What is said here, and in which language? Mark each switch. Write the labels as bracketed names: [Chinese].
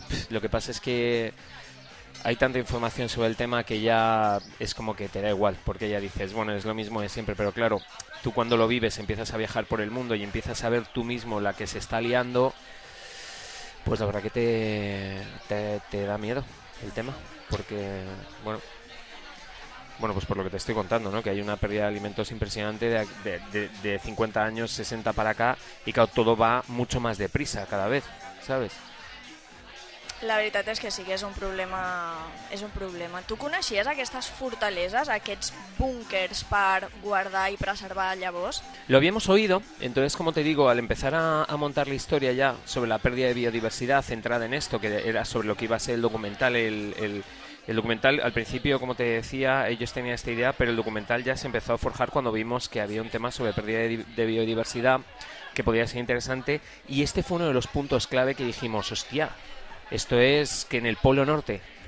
[Spanish] Lo que pasa es que hay tanta información sobre el tema que ya es como que te da igual, porque ya dices, bueno, es lo mismo de siempre, pero claro, tú cuando lo vives, empiezas a viajar por el mundo y empiezas a ver tú mismo la que se está liando, pues la verdad que te da miedo el tema, porque, bueno, pues por lo que te estoy contando, ¿no? Que hay una pérdida de alimentos impresionante de 50 años, 60 para acá, y claro, todo va mucho más deprisa cada vez, ¿sabes? [Catalan] La veritat és que sí que és un problema. Tu coneixies aquestes fortaleses, aquests búnkers per guardar i preservar llavors? [Spanish] Lo habíamos oído, entonces, como te digo, al empezar a montar la historia ya sobre la pérdida de biodiversidad centrada en esto, que era sobre lo que iba a ser el documental, el documental, al principio, como te decía, ellos tenían esta idea, pero el documental ya se empezó a forjar cuando vimos que había un tema sobre pérdida de biodiversidad que podía ser interesante, y este fue uno de los puntos clave que dijimos, hostia, esto es que en el Polo Norte,